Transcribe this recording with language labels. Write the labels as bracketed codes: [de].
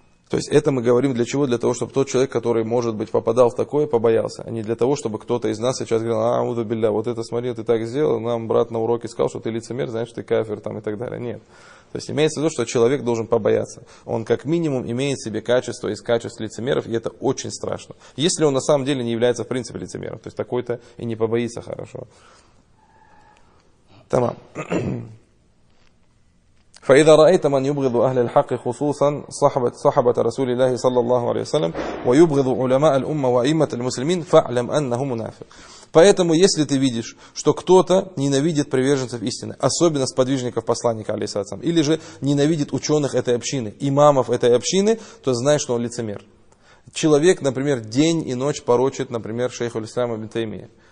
[ru] То есть, это мы говорим для чего? Для того, чтобы тот человек, который, может быть, попадал в такое, побоялся, а не для того, чтобы кто-то из нас сейчас говорил, ауду билля, вот это, смотри, ты так сделал, нам брат на уроке сказал, что ты лицемер, значит, ты кафир, там, и так далее. Нет. То есть, имеется в виду, что человек должен побояться. Он, как минимум, имеет в себе качество из качеств лицемеров, и это очень страшно. Если он, на самом деле, не является, в принципе, лицемером, то есть, такой-то и не побоится хорошо. Тамам. [ar] فإذا رأيت من يبغض أهل الحق خصوصا صحبة رسول الله صلى الله عليه وسلم ويبغض علماء الأمة وأئمة المسلمين فاعلم أنه منافق. [ru] Поэтому, если ты видишь, что кто-то ненавидит приверженцев истины, особенно сподвижников посланника, алейхиссалям, или же ненавидит ученых этой общины, имамов этой общины, то знай, что он лицемер. Человек, например, день и ночь порочит, например, шейх аль-Ислам ибн Таймия.